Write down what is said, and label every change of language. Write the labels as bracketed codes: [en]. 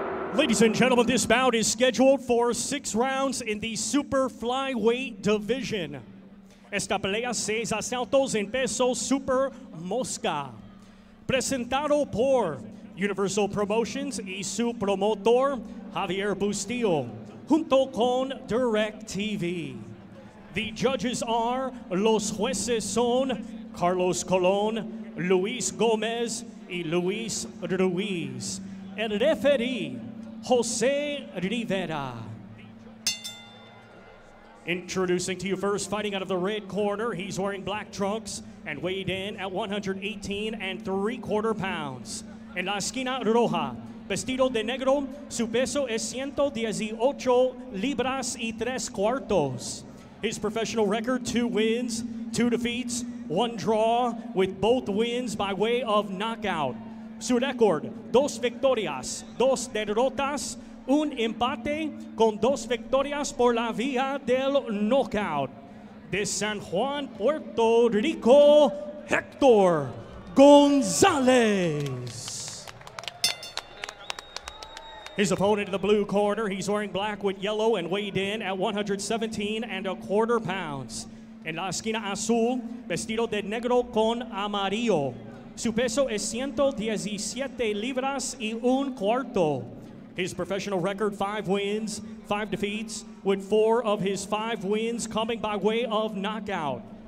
[en] Ladies and gentlemen, this bout is scheduled for 6 rounds in the super flyweight division. [es] Esta pelea seis asaltos en peso super mosca. Presentado por Universal Promotions y su promotor Javier Bustillo, junto con DirecTV. [en] The judges are, [es] los jueces son Carlos Colón, Luis Gómez y Luis Ruiz. El referee, José Rivera. [en] Introducing to you first, fighting out of the red corner, he's wearing black trunks and weighed in at 118 and 3 quarter pounds. [es] En la esquina roja, vestido de negro, su peso es 118 libras y 3 cuartos. [en] His professional record, 2 wins, 2 defeats, 1 draw, with both wins by way of knockout. [es] Su record, 2 victorias, 2 derrotas, 1 empate con 2 victorias por la vía del knockout. De San Juan, Puerto Rico, Héctor González. [en] His opponent in the blue corner, he's wearing black with yellow and weighed in at 117 and a quarter pounds. [es] En la esquina azul, vestido de negro con amarillo. Su peso es 117 libras y un cuarto. [en] His professional record, 5 wins, 5 defeats, with 4 of his 5 wins coming by way of knockout.